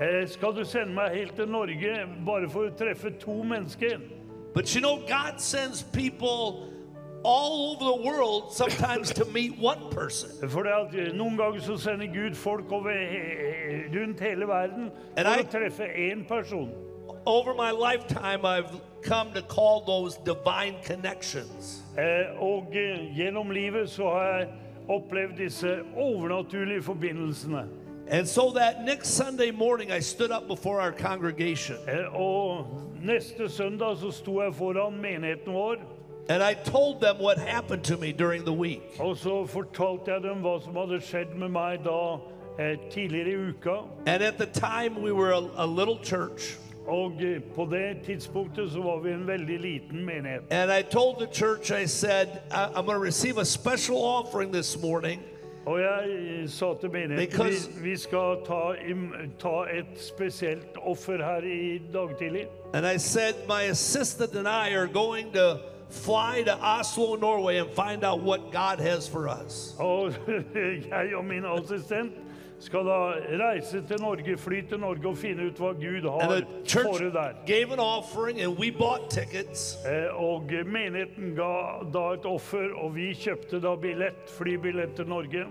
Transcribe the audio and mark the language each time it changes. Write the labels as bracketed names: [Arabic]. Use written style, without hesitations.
[Norwegian] Skal du sende meg helt til Norge bare for å treffe to mennesker? [English] But you know, God sends people all over the world sometimes to meet one person. [Norwegian] For at noen ganger så sender Gud folk rundt hele verden for å treffe én person. [English] Over my lifetime, I've come to call those divine connections. [Norwegian] Og gjennom livet så har jeg opplevd disse overnaturlige forbindelsene. [English] And so that next Sunday morning, I stood up before our congregation. [Norwegian] Neste søndag så sto jeg foran menigheten vår. [English] And I told them what happened to me during the week. [Norwegian] Og så fortalte jeg dem hva som hadde skjedd med meg da tidligere I uka. [English] And at the time we were a little church. [Norwegian] Og på det tidspunktet så var vi en veldig liten menighet. [English] And I told the church, I said, I'm going to receive a special offering this morning. [Norwegian] Og jeg sa til menigheten, vi skal ta et spesielt offer her I dag tidlig. [English] And I said, my assistant and I are going to fly to Oslo, Norway, and find out what God has for us. [Norwegian] Jeg og min assistent skal da reise til Norge, fly til Norge og finne ut hva Gud har for det der. [English] And the church gave an offering, and we bought tickets. [Norwegian] Og menigheten ga da et offer, og vi kjøpte da billett, flybillett til Norge.